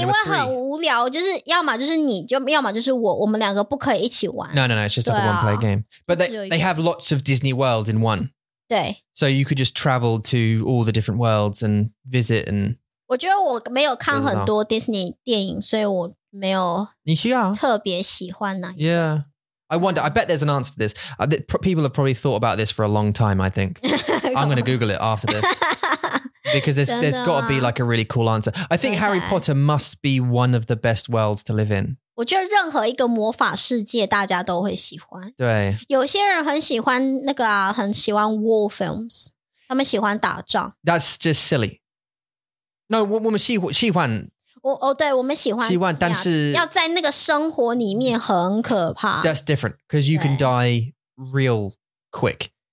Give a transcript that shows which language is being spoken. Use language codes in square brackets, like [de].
[zh] 因为很无聊，就是要嘛就是你，要嘛就是我，我们两个不可以一起玩。 [en] No, it's just a one player game. But they have lots of Disney World in one. [zh] 对。 [en] So you could just travel to all the different worlds and visit and... [zh] 我觉得我没有看很多 Disney 电影，所以我没有特别喜欢哪一个。 [en] Yeah. I wonder, I bet there's an answer to this. People have probably thought about this for a long time, I think. I'm going to Google it after this. Because there's got to be like a really cool answer. I think Harry Potter must be one of the best worlds to live in. [zh] 我觉得任何一个魔法世界大家都会喜欢。对。有些人很喜欢那个啊，很喜欢 war films. 他们喜欢打仗。 [en] That's just silly. No, [zh] 我们喜欢。对，我们喜欢。喜欢，但是要在那个生活里面很可怕。 [en] That's different, because you can die real quick.